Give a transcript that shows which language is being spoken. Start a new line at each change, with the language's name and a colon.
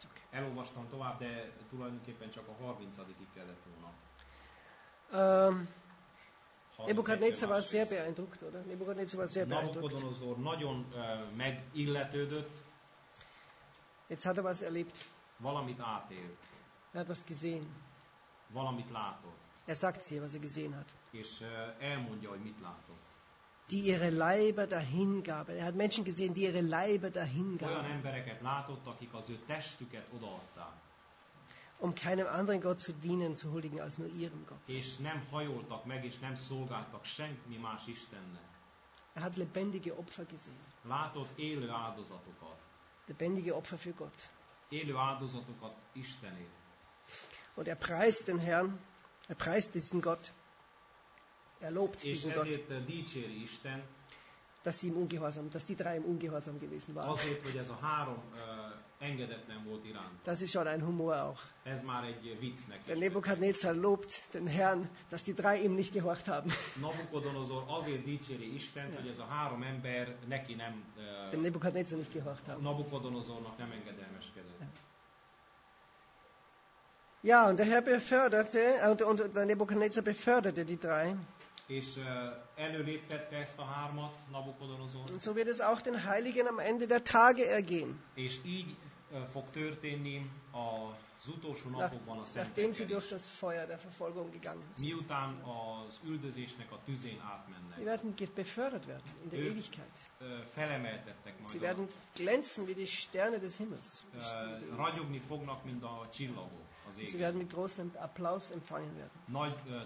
Hungarian: Elolvastam tovább, de tulajdonképpen csak a 30-ig kellett volna.
German: Nebukadnezar war sehr beeindruckt, oder? Nebukadnezar war sehr beeindruckt.
Hungarian: Nabukodonozor nagyon megilletődött.
German: Jetzt hat er was erlebt.
Hungarian: Valamit átélt.
German: Er hat was gesehen.
Hungarian: Valamit látott.
German: Er sagt sie, was er gesehen hat.
Hungarian: És elmondja, hogy mit látott.
German: Die ihre Leiber dahingaben. Er hat Menschen gesehen, die ihre Leiber dahingaben.
Hungarian: Olyan embereket látott, akik az ő testüket odaadták.
German: Um keinem anderen Gott zu dienen, zu huldigen, als nur ihrem Gott.
Hungarian: És nem hajoltak meg, és nem szolgáltak senki más Istennek.
German: Er hat lebendige Opfer gesehen.
Hungarian: Látott élő áldozatokat.
German: Lebendige Opfer für Gott.
Hungarian: Élő áldozatokat Istenért.
German: Und er preist den Herrn. Er preist diesen Gott. Er lobt diesen Gott.
Hungarian: Dicséri Isten,
German: dass die drei im Ungehorsam gewesen waren.
Hungarian: Azért, hogy ez a három engedetlen volt iránt.
German: Das ist schon ein Humor auch.
Hungarian: Ez már egy vicc neki.
German: Der Nebukadnezar lobt den Herrn, dass die drei ihm nicht gehorcht haben.
Hungarian: Nabukodonozor azért dicséri Istent, hogy ez a három ember neki nem...
German: Den Nebukadnezar nicht gehorcht haben.
Hungarian: Nabukodonozornak nem engedelmeskedett.
German: Ja, und der Herr beförderte, und der Nebukadnezar beförderte die drei.
Hungarian: És előléptette ezt a hármat, Nabukodonozor.
German: Und so wird es auch den Heiligen am Ende der Tage ergehen.
Hungarian: És így fog történni az utolsó napokban a szentekben.
German: Nachdem sie durch das Feuer der Verfolgung gegangen sind.
Hungarian: Miután az üldözésnek a tüzén átmennek.
German: Sie werden befördert werden in der Ewigkeit.
Hungarian: Felemeltettek majd.
German: Sie werden glänzen wie die Sterne des Himmels.
Hungarian: Ragyogni fognak, mint a csillagok az égen.
German: Sie werden mit großem Applaus empfangen werden.